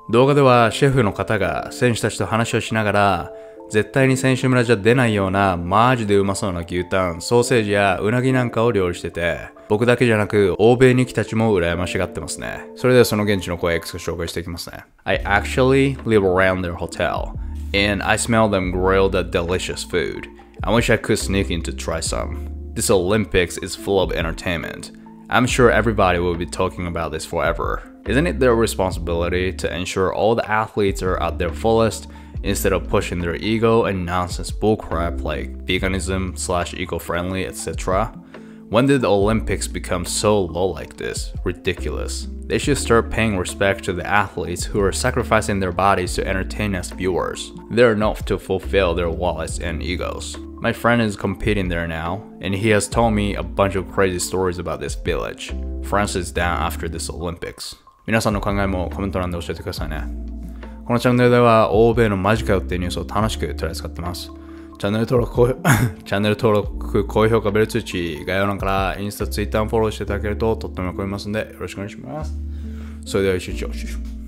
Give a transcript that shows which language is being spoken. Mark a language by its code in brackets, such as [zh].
[ja] 動画ではシェフの方が選手たちと話をしながら、絶対に選手村じゃ出ないようなマージでうまそうな牛タン、ソーセージやうなぎなんかを料理してて、僕だけじゃなく欧米に来たちも羨ましがってますね。それではその現地の声 X を紹介していきますね。 I actually live around their hotel [en] and I smell them grill the delicious food. I wish I could sneak in to try some. This Olympics is full of entertainment. I'm sure everybody will be talking about this forever. Isn't it their responsibility to ensure all the athletes are at their fullest instead of pushing their ego and nonsense bullcrap like veganism / eco-friendly, etc.? When did the Olympics become so low like this? Ridiculous. They should start paying respect to the athletes who are sacrificing their bodies to entertain us viewers. They're enough to fulfill their wallets and egos. My friend is competing there now, and he has told me a bunch of crazy stories about this village. France is down after this Olympics. [ja] 皆さんの考えもコメント欄で教えてくださいね。このチャンネルでは欧米のマジかよっていうニュースを楽しく取り扱ってます。チャンネル登録、高評価、ベル通知、概要欄からインスタ、ツイッターもフォローしていただけるととっても喜びますのでよろしくお願いします。それでは一日よろしく。